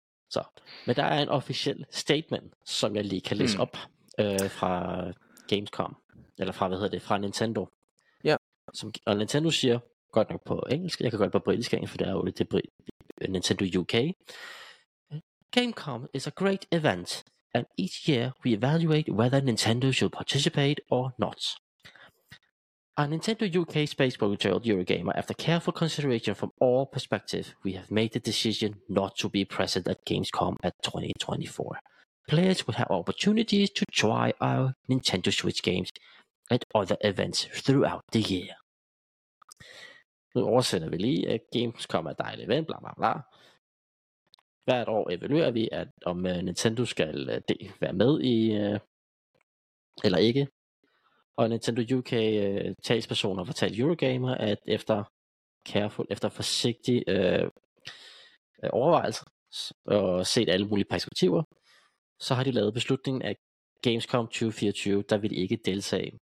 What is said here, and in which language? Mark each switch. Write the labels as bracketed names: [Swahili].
[Danish] Så. Men der er en officiel statement, som jeg lige kan læse op fra Gamescom. Eller fra, hvad hedder det? Fra Nintendo. Ja. Og Nintendo siger, godt nok på engelsk, jeg kan godt på britisk engelsk, for det er jo lidt Nintendo UK. [English] Gamescom is a great event, and each year we evaluate whether Nintendo should participate or not. Our Nintendo UK space program told Eurogamer, after careful consideration from all perspectives, we have made the decision not to be present at Gamescom at 2024. Players will have opportunities to try our Nintendo Switch games at other events throughout the year. [Danish] Nu oversætter vi lige, at Gamescom er et dejligt event, bla bla bla. Hvert år evaluerer vi, at om Nintendo skal være med i, eller ikke. Og Nintendo UK talspersoner fortalte Eurogamer, at efter forsigtig overvejelse og set alle mulige perspektiver, så har de lavet beslutningen, at Gamescom 2024, der vil de ikke deltage.